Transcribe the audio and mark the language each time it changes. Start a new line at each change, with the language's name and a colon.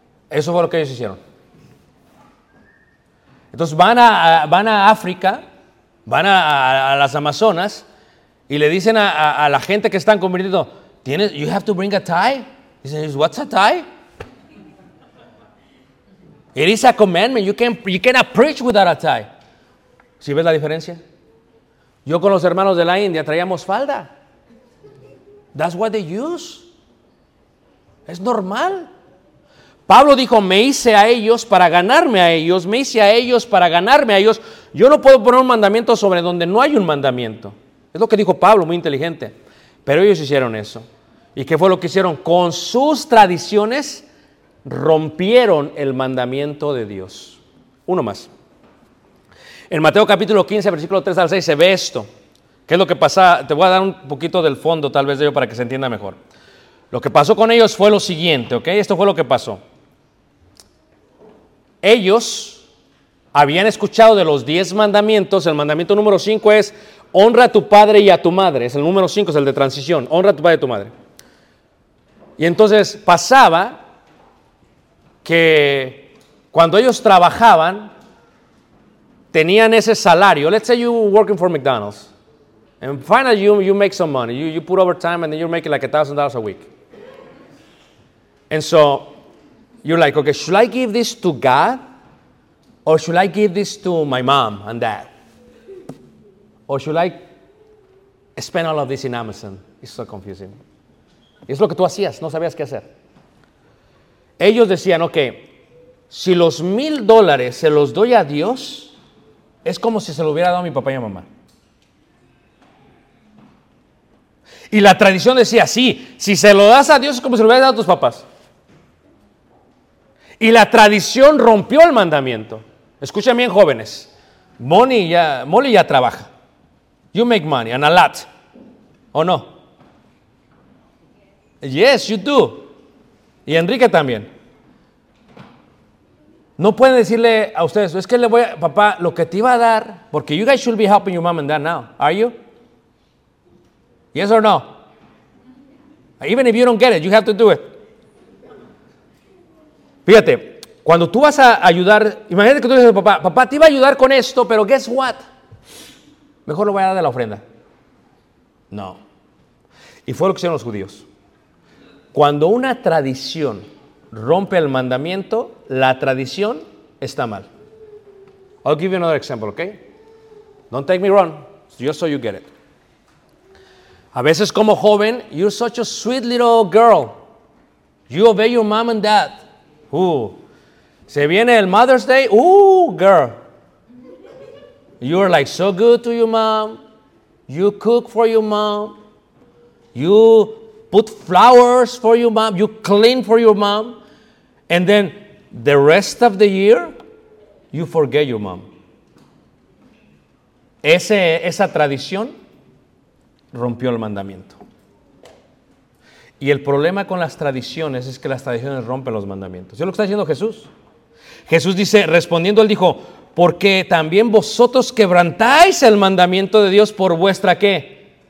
Spanish: Eso fue lo que ellos hicieron. Entonces van a África, van a las Amazonas y le dicen a la gente que están convirtiendo, tienes,
English: you have to bring a tie.
Spanish: Y dicen,
English: what's a tie? It is a commandment. You cannot preach without a tie.
Spanish: ¿Sí ves la diferencia? Yo con los hermanos de la India traíamos falda.
English: That's what they use.
Spanish: Es normal. Pablo dijo, me hice a ellos para ganarme a ellos, me hice a ellos para ganarme a ellos. Yo no puedo poner un mandamiento sobre donde no hay un mandamiento. Es lo que dijo Pablo, muy inteligente. Pero ellos hicieron eso. ¿Y qué fue lo que hicieron? Con sus tradiciones rompieron el mandamiento de Dios. Uno más. En Mateo capítulo 15, versículo 3 al 6, se ve esto. ¿Qué es lo que pasa? Te voy a dar un poquito del fondo, tal vez, de ello para que se entienda mejor. Lo que pasó con ellos fue lo siguiente, ¿ok? Esto fue lo que pasó. Ellos habían escuchado de los 10 mandamientos. El mandamiento número 5 es: honra a tu padre y a tu madre. Es el número 5, es el de transición. Honra a tu padre y a tu madre. Y entonces pasaba que cuando ellos trabajaban, tenían ese salario.
English: Let's say you were working for McDonald's. And finally you make some money. You put overtime and then you're making like $1,000 a week. And so you're like, okay, should I give this to God? Or should I give this to my mom and dad? Or should I spend all of this in Amazon? It's so confusing.
Spanish: Es lo que tú hacías, no sabías qué hacer. Ellos decían, ok, si los $1,000 se los doy a Dios, es como si se lo hubiera dado a mi papá y a mamá. Y la tradición decía, sí, si se lo das a Dios es como si lo hubieras dado a tus papás. Y la tradición rompió el mandamiento. Escuchen bien, jóvenes. Molly ya trabaja.
English: You make money, and a lot.
Spanish: ¿O no?
English: Yes, you do.
Spanish: Y Enrique también. No pueden decirle a ustedes, es que le voy a, papá, lo que te iba a dar, porque
English: you guys should be helping your mom and dad now, are you? Yes or no? Even if you don't get it, you have to do it.
Spanish: Fíjate, cuando tú vas a ayudar, imagínate que tú dices, papá, papá, te iba a ayudar con esto, pero
English: guess what?
Spanish: Mejor lo voy a dar de la ofrenda. No. Y fue lo que hicieron los judíos. Cuando una tradición rompe el mandamiento, la tradición está mal.
English: I'll give you another example, okay? Don't take me wrong, just so you get it.
Spanish: A veces como joven,
English: you're such a sweet little girl. You obey your mom and dad.
Spanish: Se viene el
English: Mother's Day, girl. You're like so good to your mom. You cook for your mom. You put flowers for your mom. You clean for your mom. And then the rest of the year, you forget your mom.
Spanish: Esa tradición rompió el mandamiento. Y el problema con las tradiciones es que las tradiciones rompen los mandamientos. ¿Sí es lo que está diciendo Jesús? Jesús dice, respondiendo, él dijo, porque también vosotros quebrantáis el mandamiento de Dios por vuestra, ¿qué?